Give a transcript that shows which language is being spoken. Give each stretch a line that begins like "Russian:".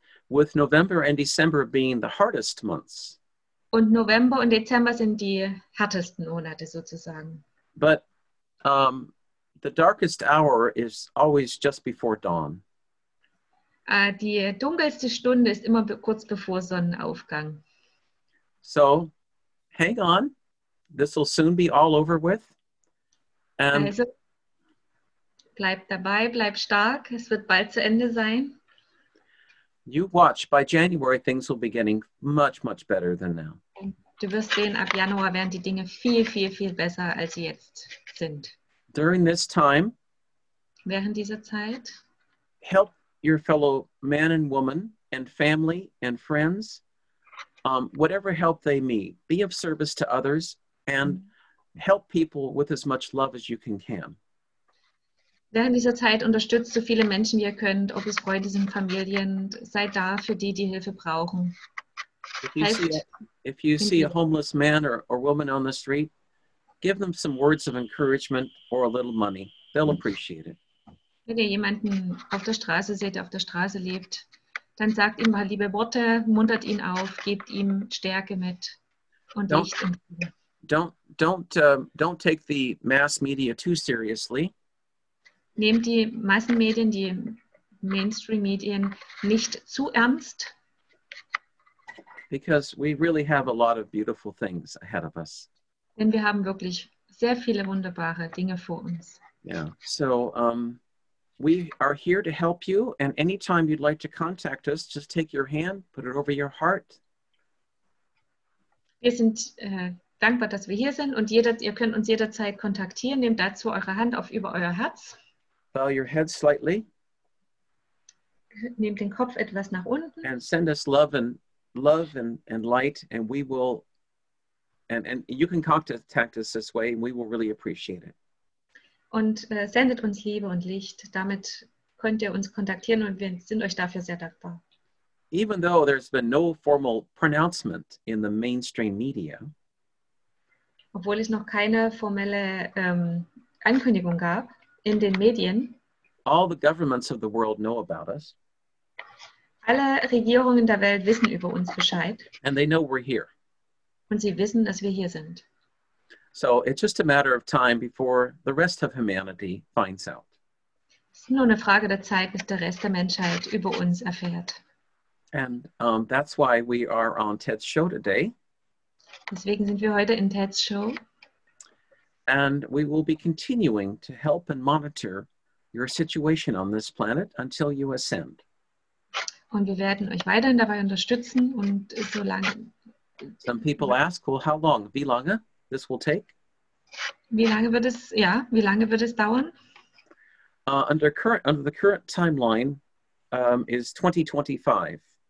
English: With November and December being the hardest months.
German: Und November und Dezember sind die härtesten Monate sozusagen.
English: But the darkest hour is always just before dawn.
German: Die dunkelste Stunde ist immer kurz bevor Sonnenaufgang.
English: So, hang on. This will soon be all over with. And also,
German: bleib dabei, bleib stark. Es wird bald zu Ende sein.
English: You watch, by January things will be getting much, much better than now.
German: Du wirst sehen, ab Januar werden die Dinge viel, viel, viel besser, als sie jetzt sind.
English: During this time,
German: während dieser Zeit,
English: help your fellow man and woman and family and friends, whatever help they need, be of service to others and help people with as much love as you can.
German: Während dieser Zeit unterstützt so viele Menschen, wie ihr könnt, ob es Freunde sind, Familien, seid da für die, die Hilfe brauchen.
English: If you see a homeless man or woman on the street, give them some words of encouragement or a little money. They'll appreciate it.
German: Wenn ihr jemanden auf der Straße seht, der auf der Straße lebt, dann sagt ihm mal liebe Worte, muntert ihn auf, gebt ihm Stärke mit und Licht.
English: Don't take the mass media too seriously.
German: Nehmt die Massenmedien, die Mainstream-Medien nicht zu ernst.
English: Because we really have a lot of beautiful things ahead of us.
German: Denn wir haben wirklich sehr viele wunderbare Dinge vor uns.
English: Yeah, so we are here to help you. And anytime you'd like to contact us, just take your hand, put it over your heart.
German: Wir sind dankbar, dass wir hier sind. Und ihr könnt uns jederzeit kontaktieren. Nehmt dazu eure Hand auf über euer Herz.
English: Bow your head slightly.
German: Nehmt den Kopf etwas nach unten.
English: And send us love and light, and we will, and you can contact us this way, and we will really appreciate it.
German: Und sendet uns Liebe und Licht. Damit könnt ihr uns kontaktieren, und wir sind euch dafür sehr dankbar.
English: Even though there's been no formal pronouncement in the mainstream media.
German: Obwohl es noch keine formelle Ankündigung gab. In den Medien.
English: All the governments of the world know about us.
German: Alle Regierungen der Welt wissen über uns Bescheid.
English: And they know we're here.
German: Und sie wissen, dass wir hier sind.
English: So it's just a matter of time before the rest of humanity finds out.
German: Es ist nur eine Frage der Zeit, bis der Rest der Menschheit über uns erfährt.
English: And that's why we are on Ted's show today.
German: Deswegen sind wir heute in Ted's show.
English: And we will be continuing to help and monitor your situation on this planet until you ascend.
German: Und wir werden euch weiterhin dabei unterstützen und so lange.
English: Some people ask, well, how long?
German: Wie lange
English: this will take?
German: Wie lange wird es dauern?
English: Under the current timeline is 2025.